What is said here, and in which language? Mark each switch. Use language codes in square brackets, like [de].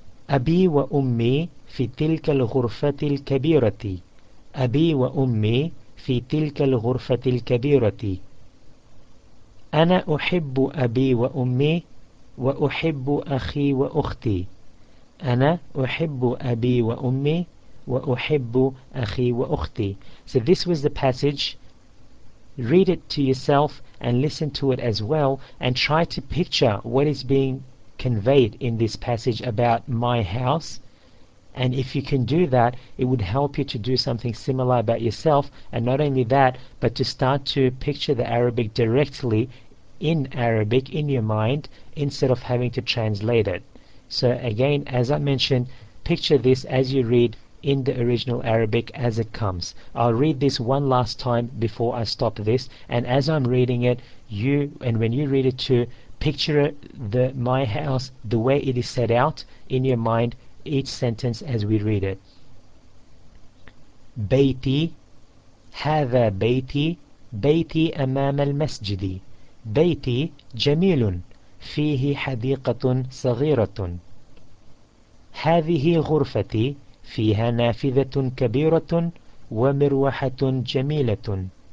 [ar] أبي وأمي في تلك الغرفة الكبيرة، أبي وأمي في تلك الغرفة الكبيرة. أنا أحب أبي وأمي وأحب أخي وأختي، أنا أحب أبي وأمي وأحب أخي وأختي. [en] So this was the passage. Read it to yourself and listen to it as well, and try to picture what is being conveyed in this passage about my house. And if you can do that, it would help you to do something similar about yourself. And not only that, but to start to picture the Arabic directly in Arabic in your mind, instead of having to translate it. So again, as I mentioned, picture this as you read in the original Arabic as it comes. I'll read this one last time before I stop this, and as I'm reading it, when you read it too, picture my house the way it is set out in your mind, each sentence as we read it. [ar] بيتي هذا بيتي بيتي أمام المسجد. بيتي جميل فيه حديقة صغيرة. هذه غرفتي فيها نافذة كبيرة ومروحة جميلة.